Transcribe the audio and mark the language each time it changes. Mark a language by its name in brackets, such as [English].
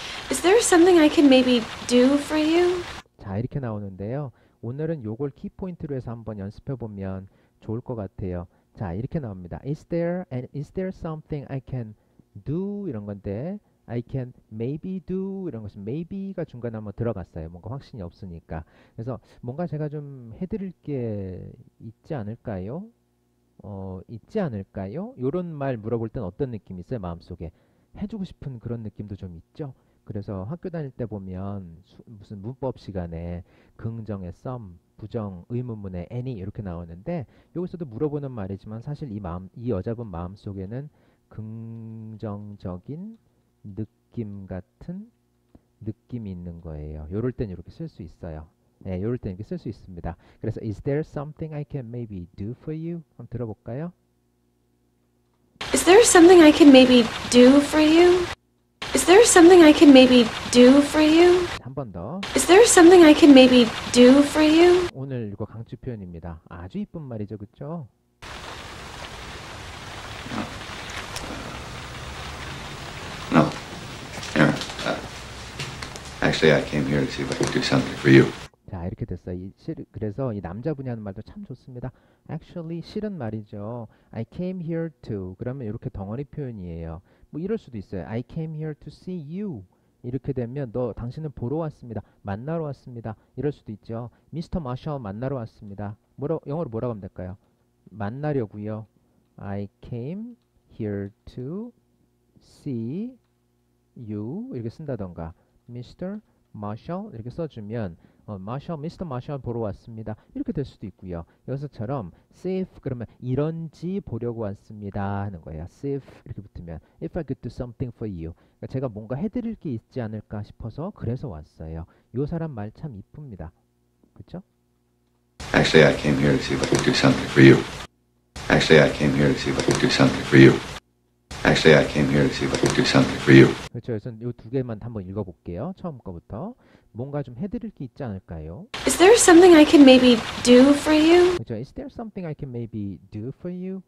[English] Is there something I can maybe do for you? [Korean] 자, 이렇게 나오는데요. 오늘은 요걸 키포인트로 해서 한번 연습해보면 좋을 것 같아요. 자, 이렇게 나옵니다. [English] Is there something I can do? [Korean] 이런 건데 [English] I can maybe do [Korean] 이런 것은 maybe가 중간에 한번 들어갔어요. 뭔가 확신이 없으니까. 그래서 뭔가 제가 좀 해드릴 게 있지 않을까요? 있지 않을까요? 이런 말 물어볼 땐 어떤 느낌이 있어요? 마음속에 해주고 싶은 그런 느낌도 좀 있죠. 그래서 학교 다닐 때 보면 무슨 문법 시간에 긍정의 some, 부정, 의문문의 any 이렇게 나오는데 여기서도 물어보는 말이지만 사실 이 여자분 마음속에는 긍정적인 느낌 같은 느낌이 있는 거예요. 요럴 땐 이렇게 쓸 수 있어요. 예, 요럴 땐 이렇게 쓸 수 있습니다. [English] 그래서 Is there something I can maybe do for you? [Korean] 한번 들어볼까요? [English] Is there something I can maybe do for you? Is there something I can maybe do for you? [Korean] 한 번 더. [English] Is there something I can maybe do for you? [Korean] 오늘 이거 강추 표현입니다. 아주 이쁜 말이죠, 그쵸? [English] No. Actually, I came here to see if I could do something for you. [Korean] 자, 이렇게 됐어요. 그래서 이 남자분이 하는 말도 참 좋습니다. Actually, 실은 말이죠. [English] I came here to. [Korean] 그러면 이렇게 덩어리 표현이에요. 뭐 이럴 수도 있어요. [English] I came here to see you. [Korean] 이렇게 되면 당신을 보러 왔습니다. 만나러 왔습니다. 이럴 수도 있죠. Mr. Marshall 만나러 왔습니다. 영어로 뭐라고 하면 될까요? 만나려고요. [English] I came here to see you. [Korean] 이렇게 쓴다던가 Mr. Marshall 이렇게 써주면 Mr. Marshall 보러 왔습니다. 이렇게 될 수도 있고요. 여기서처럼 see if 그러면 이런지 보려고 왔습니다 하는 거예요. [English] see if [Korean] 이렇게 붙으면 [English] if I could do something for you. [Korean] 그러니까 제가 뭔가 해드릴 게 있지 않을까 싶어서 그래서 왔어요. 이 사람 말 참 이쁩니다. 그렇죠? [English] Actually, I came here to see if I could do something for you. Actually, I came here to see if I could do something for you. Actually, I came here to see if I could do something for you. [Korean] 그렇죠. 그래서 이 두 개만 한번 읽어볼게요. 처음 거부터. 뭔가 좀 해드릴 게 있지 않을까요? [English] Is there something I can maybe do for you? [Korean] 그렇죠. [English] Is there something I can maybe do for you?